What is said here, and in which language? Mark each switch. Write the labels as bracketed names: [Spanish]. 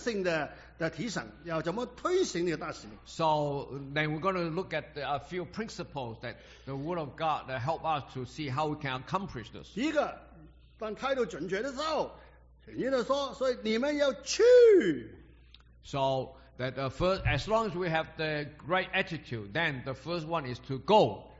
[Chinese] 那么跟着我们看呢，神有几个的原则性的提醒， 要怎么推行这个大使命。 [English] So then we're going to look at a few principles that the Word of God that help us to see how we can accomplish this. [Chinese] 第一个, 当态度准确的时候，神就说， 所以你们要去。 [English] So that the first, as long as we have the right attitude, then the first one is to go.